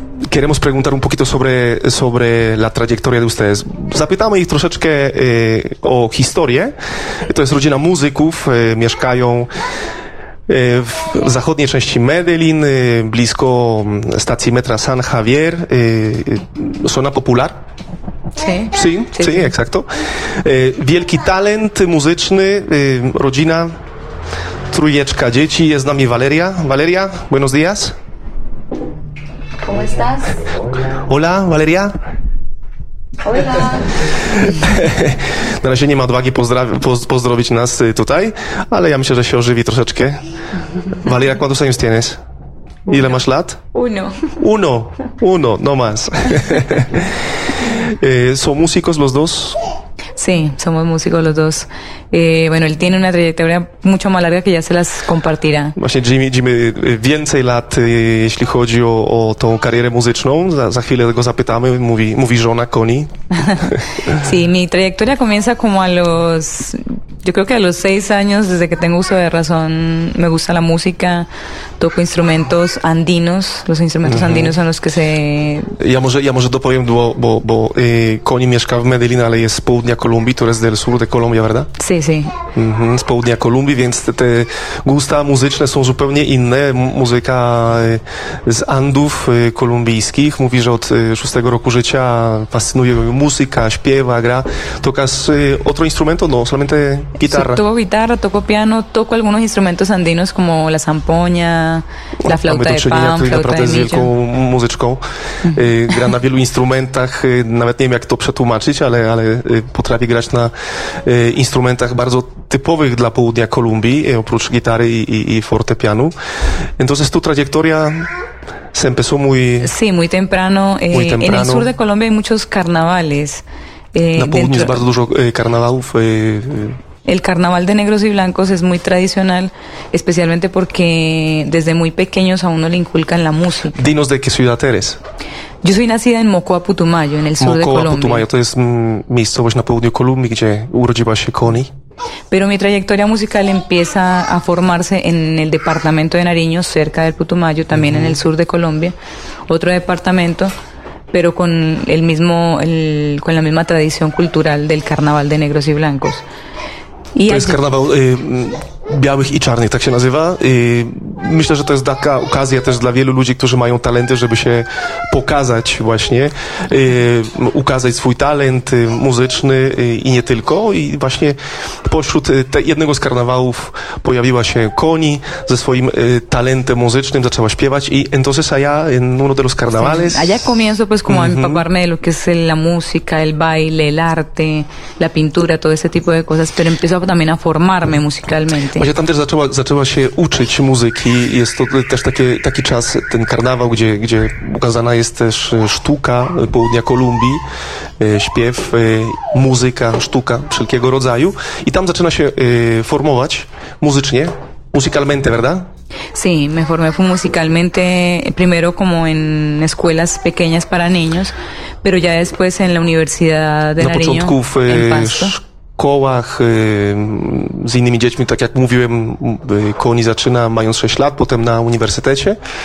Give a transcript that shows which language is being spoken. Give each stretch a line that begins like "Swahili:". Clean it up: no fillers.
Spanish: Queremos preguntar un poquito sobre la trayectoria de ustedes.
Polish: Zapytamy ich troszeczkę o historię. To jest rodzina muzyków, mieszkają w zachodniej części Medellín, blisko stacji metra San Javier.
Spanish: Zona popular. Sí, sí, sí, exacto.
Polish: Wielki talent muzyczny, rodzina, trójeczka dzieci. Jest z nami Valeria. Valeria,
Spanish: buenos días. ¿Cómo estás? Hola, Valeria. Hola.
Polish: Na razie nie ma odwagi pozdrowić nas tutaj, ale ja myślę, że się ożywi troszeczkę.
Spanish: Valeria, ¿cuántos años tienes?
Polish: Ile masz lat?
Spanish: Uno, no más. ¿Son músicos los dos? Sí, somos músicos los dos. Bueno, él tiene una trayectoria mucho más larga que ya se las compartirá.
Polish: Właśnie Jimmy więcej lat, jeśli chodzi o tą karierę muzyczną. Za chwilę go zapytamy, mówi żona Koni.
Spanish: Sí, mi trayectoria comienza como a los... Yo creo que a los 6 años, desde que tengo uso de razón, me gusta la música. Toco instrumentos andinos. Los instrumentos andinos son los que se...
Polish: Ja może dopowiem, bo Koni mieszka w Medellín, ale jest z południa Kolumbii, to jest
Spanish: del sur de Colombia, ¿verdad? Sí, sí.
Polish: Z południa Kolumbii, więc te gusta muzyczne są zupełnie inne. Muzyka z Andów kolumbijskich. Mówi, że od 6 roku życia fascynuje muzyka, śpiewa, gra.
Spanish: Tocas otro instrumento? No, solamente... Guitarra. Toco guitarra, toco piano, toco algunos instrumentos andinos como la zampoña, la flauta de pan, flauta de millo.
Polish: Muzyczką. Gra na wielu instrumentach, nawet nie wiem jak to przetłumaczyć, ale potrafi grać na instrumentach bardzo typowych dla południa Kolumbii, oprócz gitary i fortepianu.
Spanish: Entonces tu trayectoria se empezó muy... Sí, muy temprano. En el sur de Colombia hay muchos carnavales.
Polish: Na południu jest bardzo dużo karnawałów.
Spanish: El carnaval de negros y blancos es muy tradicional, especialmente porque desde muy pequeños a uno le inculcan la música. Dinos de qué ciudad eres. Yo soy nacida en Mocoa, Putumayo, en el sur de Colombia.
Polish: Mocoa, Putumayo, to jest miejscowość na południu Kolumbii, gdzie urodziła się Koni.
Spanish: Pero mi trayectoria musical empieza a formarse en el departamento de Nariño, cerca del Putumayo, también en el sur de Colombia, otro departamento. pero con el mismo, con la misma tradición cultural del carnaval de negros y blancos.
Polish: Y to jest karnawał białych i czarnych, tak się nazywa. Myślę, że to jest taka okazja też dla wielu ludzi, którzy mają talenty, żeby się pokazać właśnie, ukazać swój talent muzyczny i nie tylko. I właśnie pośród jednego z karnawałów pojawiła się Koni ze swoim talentem muzycznym, zaczęła śpiewać.
Spanish: I entonces allá, en uno de los carnavales... Allá comienzo pues como a empaparme de lo que es la música, el baile, el arte, la pintura, todo ese tipo de cosas, pero empiezo también a formarme musicalmente.
Polish: Właśnie tam też zaczęła się uczyć muzyki. Jest to też taki czas, ten karnawał, gdzie ukazana jest też sztuka południa Kolumbii, śpiew, muzyka, sztuka wszelkiego rodzaju. I tam zaczyna się formować muzycznie,
Spanish: musicalmente,
Polish: prawda?
Spanish: Sí, me formé musicalmente primero como en escuelas pequeñas para niños, pero ya después en la Universidad de Nariño, en Pasto.
Polish: Kołach z innymi dziećmi, tak jak mówiłem, Koni zaczyna mając 6 lat, potem na uniwersytecie.